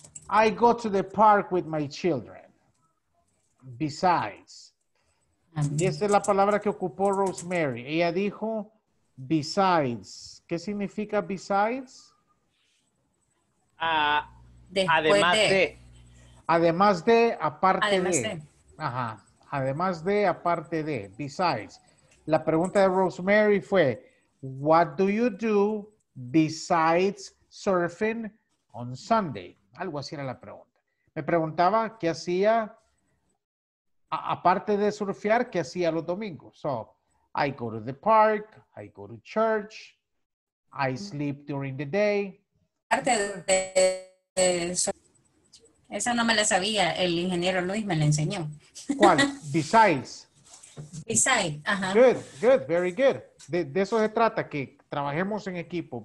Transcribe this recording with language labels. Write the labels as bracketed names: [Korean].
[English] I go to the park with my children. Besides. [Spanish] Y esa es la palabra que ocupó Rosemary. Ella dijo, besides. ¿Qué significa besides? Además de, aparte de. [English] Besides. [Spanish] La pregunta de Rosemary fue, [English] what do you do besides surfing on Sunday? [Spanish] Algo así era la pregunta. Me preguntaba qué hacía, aparte de surfear, qué hacía los domingos. [English] So, I go to the park, I go to church, I sleep during the day. [Spanish] Aparte de eso, no me la sabía, el ingeniero Luis me la enseñó. ¿Cuál? Besides. [English] Besides, uh-huh. Good, very good. [Spanish] De eso se trata, que trabajemos en equipo.